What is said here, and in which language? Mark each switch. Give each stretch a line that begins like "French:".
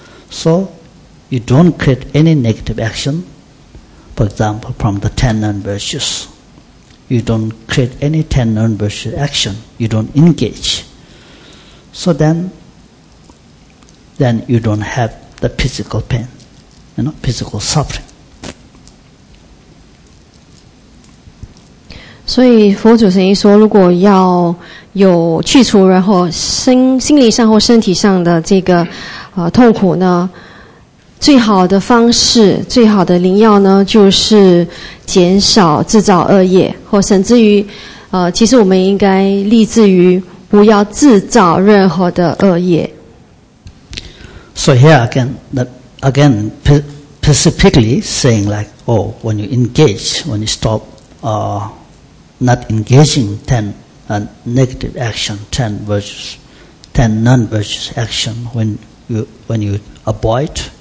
English: So, you don't create any negative action, for example, from the 10 known virtues. You don't create any 10 known virtues action. You don't engage. So then you don't have the physical pain, you know, physical suffering.
Chinese: 所以佛祖曾经说，如果要有去除然后心理上或身体上的这个痛苦呢，最好的方式，最好的灵药呢，就是减少制造恶业，或甚至于，其实我们应该立志于不要制造任何的恶业。
English: So here again, specifically saying like, oh, when you engage, when you stop, not engaging ten negative action, ten non-virtuous action, when you avoid.